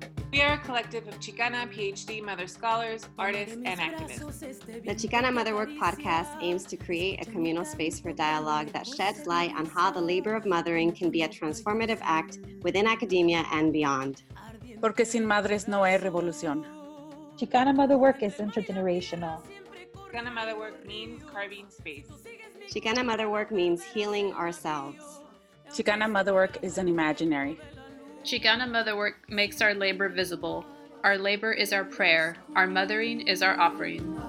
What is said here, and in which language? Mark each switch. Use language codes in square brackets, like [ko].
[en] We are a collective of Chicana PhD mother scholars, artists, and activists. The Chicana Motherwork Podcast aims to create a communal space for dialogue that sheds light on how the labor of mothering can be a transformative act within academia and beyond. [es] Porque sin madres no hay revolución. [en] Chicana Motherwork is intergenerational. Chicana Motherwork means carving space. Chicana Motherwork means healing ourselves. Chicana Motherwork is an imaginary. Chicana Motherwork makes our labor visible. Our labor is our prayer. Our mothering is our offering.